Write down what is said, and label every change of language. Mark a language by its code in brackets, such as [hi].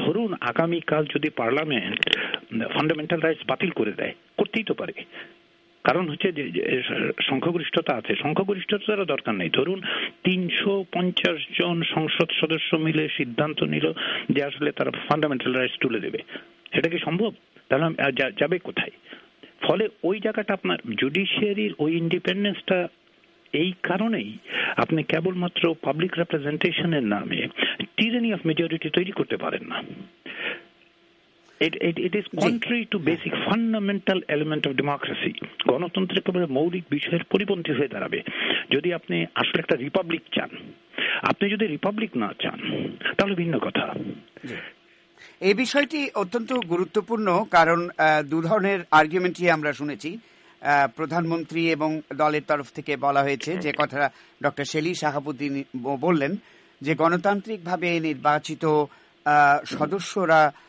[bn] ধরুন আগামীকাল যদি পার্লামেন্ট ফান্ডামেন্টাল রাইটস বাতিল করে দেয়, করতেই তো পারে, কারণ হচ্ছে যে সংখ্যাগরিষ্ঠতা আছে, সংখ্যাগরিষ্ঠতার দরকার নেই, ধরুন 350 জন সংসদ সদস্য মিলে সিদ্ধান্ত নিল যে আসলে তারা ফান্ডামেন্টাল রাইটস তুলে দেবে, সেটা কি সম্ভব? তাহলে যাবে কোথায়? ফলে ওই জায়গাটা আপনার জুডিশিয়ারির ওই ইন্ডিপেন্ডেন্সটা এই কারণেই আপনি কেবলমাত্র পাবলিক রিপ্রেজেন্টেশনের নামে টিরানি অফ মেজরিটি তৈরি করতে পারেন না। [en] It is contrary to basic fundamental element of democracy. [bn] গণতন্ত্রে কেবল মৌলিক বিষয়ের পরিপন্থী হয়ে দাঁড়াবে। যদি আপনি আসলে একটা রিপাবলিক চান, আপনি যদি রিপাবলিক না চান তাহলে ভিন্ন কথা। এই বিষয়টি অত্যন্ত গুরুত্বপূর্ণ, কারণ দু ধরনের আর্গুমেন্টই আমরা শুনেছি, প্রধানমন্ত্রী এবং দলের তরফ থেকে বলা হয়েছে যে কথা ডক্টর শেলি শাহাবুদ্দিন বললেন যে গণতান্ত্রিকভাবে নির্বাচিত সদস্যরা